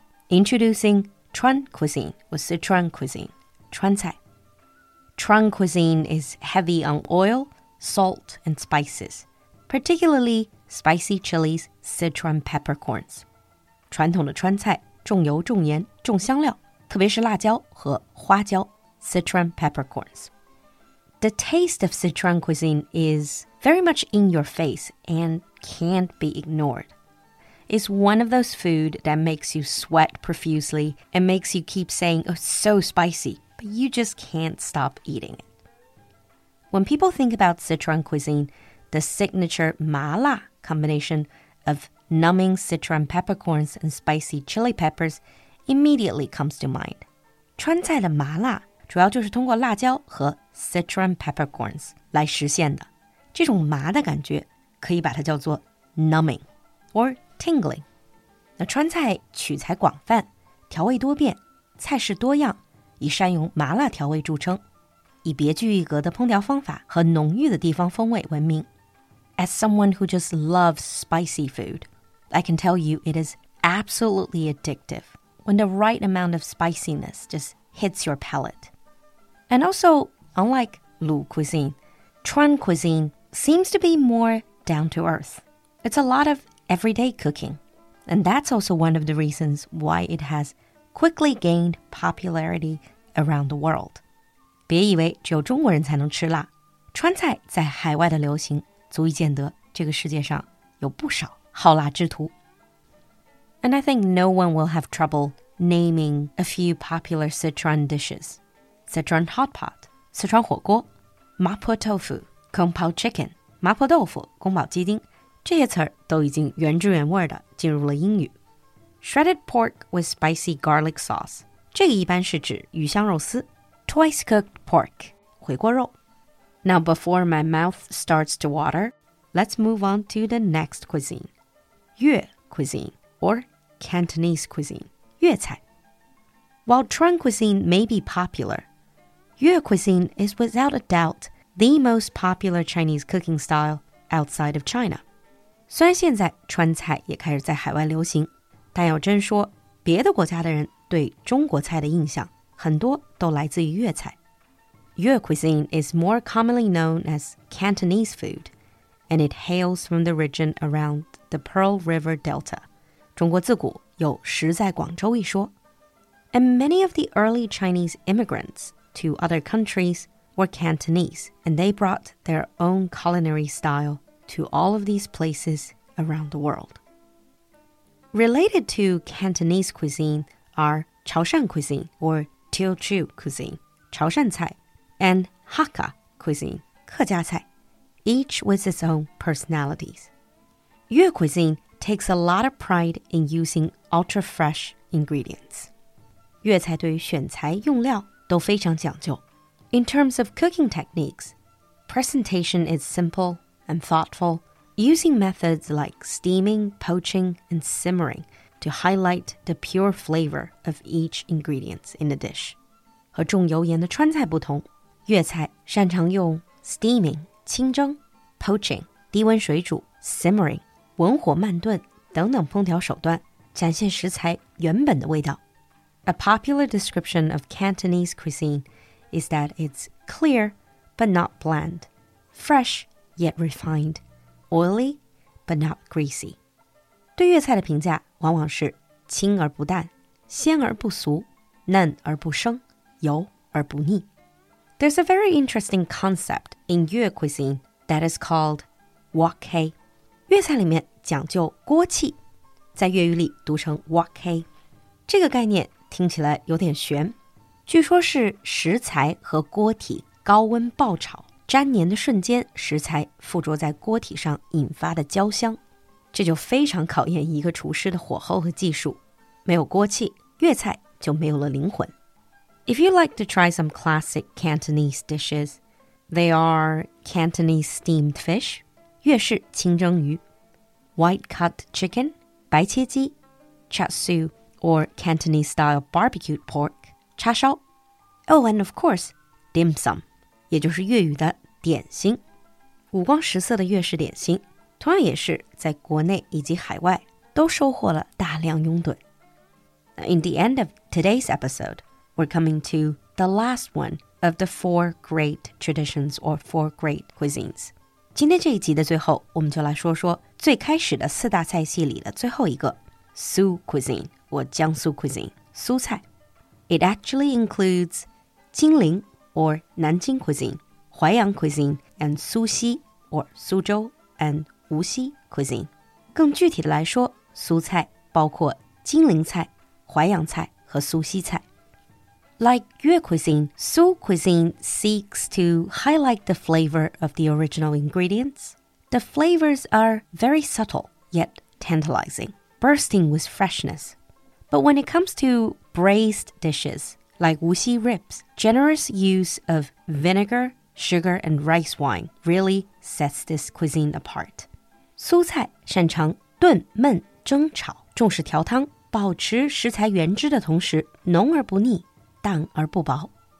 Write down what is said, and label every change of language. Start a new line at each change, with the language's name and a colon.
English: Introducing Chuan cuisine or Sichuan cuisine,
Chinese: Chuan 菜.
English: Chuan cuisine is heavy on oil, salt, and spices, particularly spicy chilies, Sichuan peppercorns.
Chinese: 传统的川菜重油重盐重香料，特别是辣椒和花椒
English: Sichuan peppercorns. The taste of Sichuan cuisine is very much in your face and can't be ignored. It's one of those food that makes you sweat profusely and makes you keep saying, oh, so spicy, but you just can't stop eating it. When people think about Sichuan cuisine, the signature mala combination of numbing Sichuan peppercorns and spicy chili peppers immediately comes to mind.
Chinese: 川菜的麻辣主要就是通过辣椒和
English: Sichuan peppercorns
Chinese: 来实现的，这种麻的感觉可以把它叫做
English: numbing or tingling。
Chinese: 那川菜取材广泛，调味多变，菜式多样，以善用麻辣调味著称，以别具一格的烹调方法和浓郁的地方风味闻名。
English: As someone who just loves spicy food, I can tell you it is absolutely addictive when the right amount of spiciness just hits your palate. And alsounlike Lu cuisine, Chuan cuisine seems to be more down-to-earth. It's a lot of everyday cooking. And that's also one of the reasons why it has quickly gained popularity around the world.
Chinese: 别以为只有中国人才能吃辣。川菜在海外的流行足以见得这个世界上有不少好辣之徒。
English: And I think no one will have trouble naming a few popular Sichuan dishes. Sichuan hot pot.
Chinese: 四川火锅、麻婆豆腐、宫保chicken、麻婆豆腐、宫保鸡丁，这些词儿都已经原汁原味的进入了英语。
English: Shredded pork with spicy garlic sauce，
Chinese: 这个一般是指鱼香肉丝。
English: Twice cooked pork，
Chinese: 回锅肉。
English: Now before my mouth starts to water， let's move on to the next cuisine，粤 cuisine or Cantonese cuisine， 粤菜。 While Chuan cuisine may be popular。 Yue cuisine is without a doubt the most popular Chinese cooking style outside of China.
Chinese: 虽然现在川菜也开始在海外流行，但要真说，别的国家的人对中国菜的印象很多都来自于粤菜。
English: Yue cuisine is more commonly known as Cantonese food, and it hails from the region around the Pearl River Delta.
Chinese: 中国自古有食在广州一说。
English: And many of the early Chinese immigrants...to other countries were Cantonese, and they brought their own culinary style to all of these places around the world. Related to Cantonese cuisine are 潮汕 cuisine or Teochew cuisine, 潮汕菜, and Hakka cuisine, 客家菜, each with its own personalities. 粤 cuisine takes a lot of pride in using ultra-fresh ingredients.
Chinese: 粤菜对于选材用料都非常讲究。
English: In terms of cooking techniques, presentation is simple and thoughtful, using methods like steaming, poaching, and simmering to highlight the pure flavor of each ingredient in the dish.
Chinese: 和重油盐的川菜不同，粤菜擅长用 steaming, 清蒸, poaching, 低温水煮, simmering, 文火慢炖等等烹调手段，展现食材原本的味道。
English: A popular description of Cantonese cuisine is that it's clear but not bland, fresh yet refined, oily but not greasy.
Chinese: 对粤菜的评价往往是清而不淡，鲜而不俗，嫩而不生，油而不腻。
English: There's a very interesting concept in 粤 cuisine that is called wok hei.
Chinese: 粤菜里面讲究锅气，在粤语里读成 wok hei。这个概念听起来有点悬，据说是食材和锅体高温爆炒粘黏的瞬间，食材附着在锅体上引发的焦香，这就非常考验一个厨师的火候和技术。没有锅气，粤菜就没有了灵魂。
English: If you like to try some classic Cantonese dishes, they are Cantonese steamed fish,
Chinese: 粤式清蒸鱼，
English: white cut chicken,
Chinese: 白切鸡，
English: chatsu or Cantonese style barbecued pork,
Chinese: 叉烧，
English: oh and of course, dim sum,
Chinese: 也就是粤语的点心，五光十色的粤式点心，同样也是在国内以及海外都收获了大量拥趸。
English: In the end of today's episode, we're coming to the last one of the four great traditions or four great cuisines.
Chinese: 今天这一集的最后，我们就来说说最开始的四大菜系里的最后一个
English: Su cuisine or Jiangsu cuisine,
Chinese: 苏菜。
English: It actually includes 金陵 or 南京 cuisine, 淮阳 cuisine, and 苏西 or 苏州 and 无锡 cuisine。
Chinese: 更具体的来说，苏菜包括金陵菜、淮阳菜和苏西菜。
English: Like 粤 cuisine, 苏 cuisine seeks to highlight the flavor of the original ingredients. The flavors are very subtle yet tantalizing, bursting with freshness. But when it comes to braised dishes like 无锡 ribs, generous use of vinegar, sugar, and rice wine really sets this cuisine apart.
Chinese: 苏菜擅长炖、焖、蒸、炒，重视调汤，保持食材原汁的同时，浓而不腻，淡而不薄。